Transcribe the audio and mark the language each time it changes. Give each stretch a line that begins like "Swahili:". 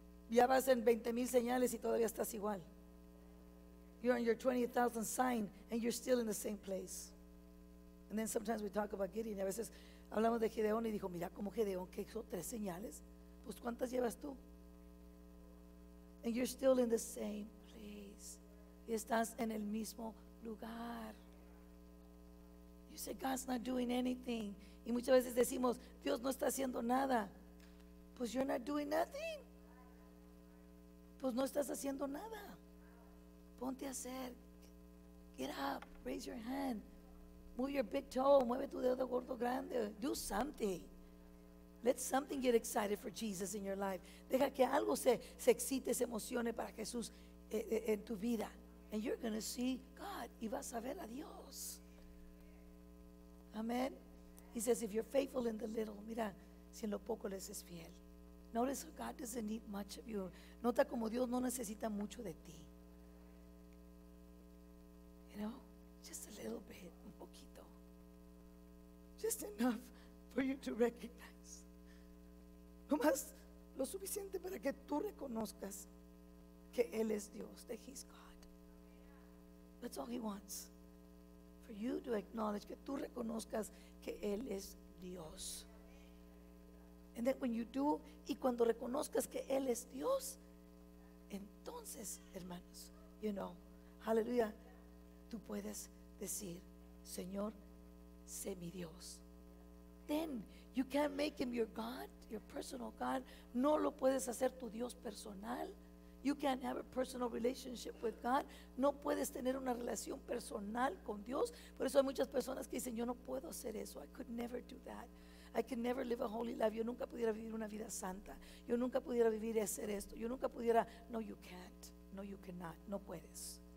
Spanish: Ya vas en 20,000 señales y todavía estás igual.
English: You're on your 20,000 sign and you're still in the same place. And then sometimes we talk about Gideon.
Spanish: A veces hablamos de Gedeón y dijo, mira como Gedeón que hizo tres señales. Pues ¿cuántas llevas tú?
English: And you're still in the same place.
Spanish: Y estás en el mismo lugar.
English: You say, God's not doing anything.
Spanish: Y muchas veces decimos, Dios no está haciendo nada.
English: Pues you're not doing nothing.
Spanish: Pues no estás haciendo nada. Ponte a hacer.
English: Get up. Raise your hand. Move your big toe.
Spanish: Mueve tu dedo gordo grande.
English: Do something. Let something get excited for Jesus in your life.
Spanish: Deja que algo se excite, se emocione para Jesús en tu vida.
English: And you're going to see God.
Spanish: Y vas a ver a Dios.
English: Amen. He says, if you're faithful in the little,
Spanish: mira, si en lo poco les es fiel.
English: Notice how God doesn't need much of you.
Spanish: Nota como Dios no necesita mucho de ti.
English: You know, just a little bit,
Spanish: un poquito.
English: Just enough for you to recognize.
Spanish: Nomás lo suficiente para que tú reconozcas que Él es Dios,
English: that He's God. That's all He wants. For you to acknowledge,
Spanish: que tú reconozcas que Él es Dios.
English: And then when you do,
Spanish: y cuando reconozcas que Él es Dios, entonces, hermanos,
English: you know, hallelujah,
Spanish: tú puedes decir, Señor, sé mi Dios.
English: then you can't make him your God, your personal God.
Spanish: No lo puedes hacer tu Dios personal.
English: You can't have a personal relationship with God.
Spanish: No puedes tener una relación personal con Dios. Por eso hay muchas personas que dicen, yo no puedo hacer eso.
English: I could never do that. I could never live a holy life.
Spanish: Yo nunca pudiera vivir una vida santa. Yo nunca pudiera vivir y hacer esto. Yo nunca pudiera.
English: No, you can't. No, you cannot.
Spanish: No puedes.